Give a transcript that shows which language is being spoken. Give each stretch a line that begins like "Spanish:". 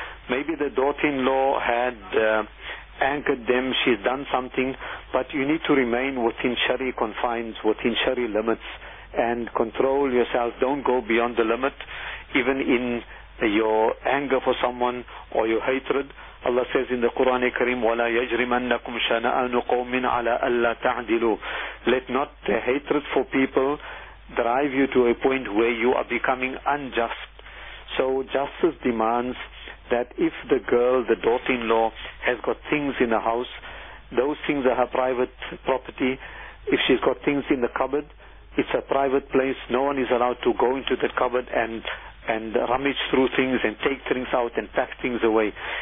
English: Maybe the daughter-in-law had anchored them, she's done something, but you need to remain within Shari confines, within Shari limits, and control yourself. Don't go beyond the limit, even in your anger for someone or your hatred. Allah says in the Quran Kareem,
Arabic: وَلَا يَجْرِمَنَّكُمْ شَنَأَنُ قَوْمٍ عَلَىٰ أَلَّا تَعْدِلُوا.
English: Let not the hatred for people drive you to a point where you are becoming unjust. So justice demands that if the girl, the daughter-in-law, has got things in the house, those things are her private property. If she's got things in the cupboard, it's a private place. No one is allowed to go into the cupboard and rummage through things and take things out and pack things away.